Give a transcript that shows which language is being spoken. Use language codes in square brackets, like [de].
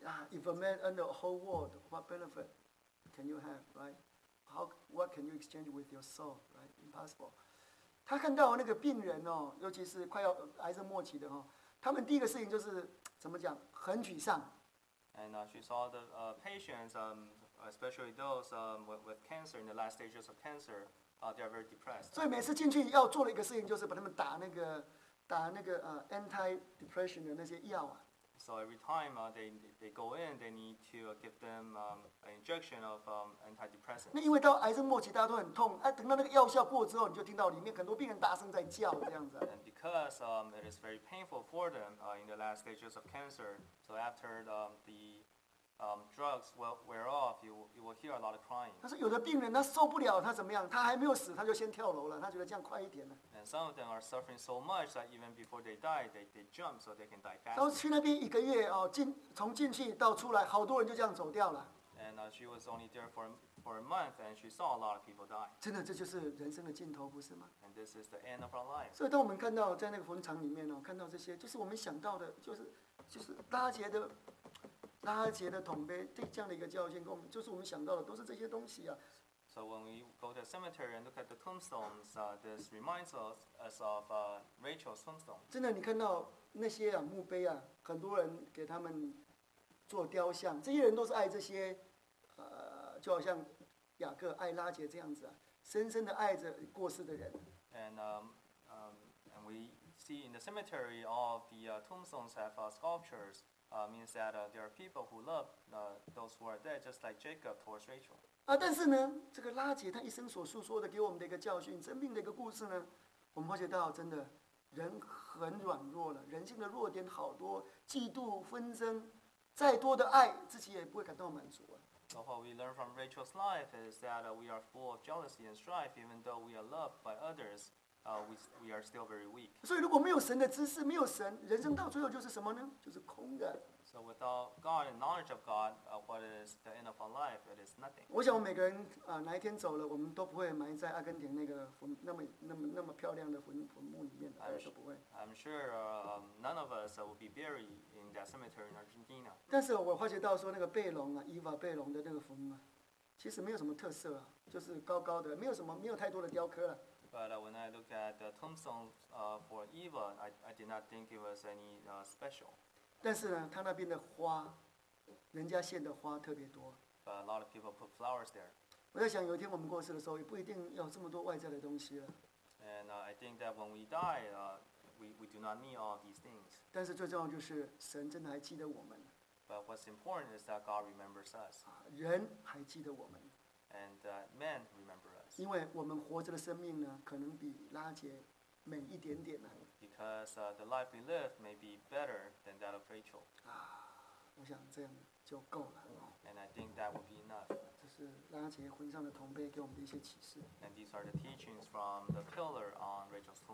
[en] if a man earned the whole world, what benefit can you have, right? What can you exchange with your soul, right? Impossible. [zh] 他看到那个病人哦，尤其是快要癌症末期的哦，他们第一个事情就是怎么讲，很沮丧。 [en] And she saw the patients, especially those with cancer in the last stages of cancer, they are very depressed. [zh] 所以每次进去要做的一个事情就是把他们打那个anti-depression 的那些药啊。 [en] So every time they go in, they need to give them an injection of antidepressant. [zh] 那因为到癌症末期，大家都很痛。哎，等到那个药效过之后，你就听到里面很多病人大声在叫，这样子。 [en] And because it is very painful for them in the last stages of cancer, so after the drugs wear off, you will hear a lot of crying. [zh] 他说有的病人他受不了，他怎么样？他还没有死，他就先跳楼了。他觉得这样快一点呢。 [en] And some of them are suffering so much that even before they die, they jump so they can die fast. [zh] 然后去那边一个月哦，从进去到出来，好多人就这样走掉了。 [en] And she was only there for a month, and she saw a lot of people die. [zh] 真的，这就是人生的尽头，不是吗 [en] ？And this is the end of our life. [zh] 所以当我们看到在那个坟场里面哦，看到这些，就是我们想到的，就是拉杰的。拉杰的桶杯，这样的一个教训，就是我们想到的，都是这些东西啊。 [en] So when we go to the cemetery and look at the tombstones, this reminds us of Rachel's tombstone. [zh] 真的，你看到那些啊墓碑啊，很多人给他们做雕像，这些人都是爱这些，就好像雅各爱拉杰这样子啊，深深的爱着过世的人。 [en] And we see in the cemetery all of the tombstones have sculptures. Means that there are people who love those who are dead, just like Jacob towards Rachel. [zh] 但是呢，这个拉杰他一生所述说的给我们的一个教训，生命的一个故事呢，我们发觉到真的，人很软弱了，人性的弱点好多，嫉妒、纷争，再多的爱，自己也不会感到满足啊。 [en] So what we learn from Rachel's life is that we are full of jealousy and strife, even though we are loved by others, we are still very weak. [zh] 所以如果没有神的知识，没有神，人生到最后就是什么呢？就是空的。 [en] So without God and knowledge of God, what is the end of our life? It is nothing. [zh] 我想我们每个人哪一天走了，我们都不会埋在阿根廷那个那么漂亮的坟墓里面，还是不会。 [en] I'm sure none of us will be buried in that cemetery in Argentina. [zh] 但是我发觉到说那个贝隆啊，伊娃贝隆的那个坟墓，其实没有什么特色啊，就是高高的，没有太多的雕刻了。 [en] But when I look at the tombstone for Eva, I did not think it was any special. [zh] 但是呢，他那边的花，人家献的花特别多。 [en] But a lot of people put flowers there. [zh] 我在想，有一天我们过世的时候，也不一定要这么多外在的东西了。 [en] And I think that when we die, we do not need all these things. [zh] 但是最重要就是神真的还记得我们。 [en] But what's important is that God remembers us. [zh] 人还记得我们。 [en] And men remember us. [zh] 因为我们活着的生命呢，可能比拉杰美一点点呢。 [en] Because the life we live may be better than that of Rachel. [zh] 我想这样就够了。 [en] And I think that would be enough. [zh] 这是拉杰坟上的铜杯给我们的一些启示。 [en] And these are the teachings from the pillar on Rachel's tomb.